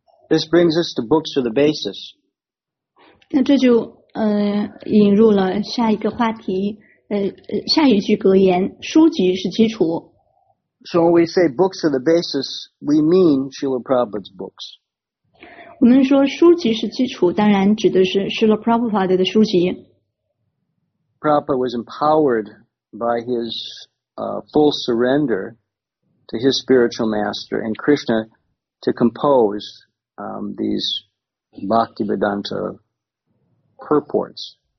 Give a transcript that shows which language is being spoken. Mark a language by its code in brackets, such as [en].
[en] This brings us to books of the basis. [zh] 那这就引入了下一个话题，下一句格言，书籍是基础。 [en] So when we say books of the basis, we mean Srila Prabhupada's books. [zh] 我们说书籍是基础，当然指的是 Srila Prabhupada 的书籍。 [en] Prabhupada was empowered by his full surrender to his spiritual master and Krishna to compose these Bhaktivedanta purports.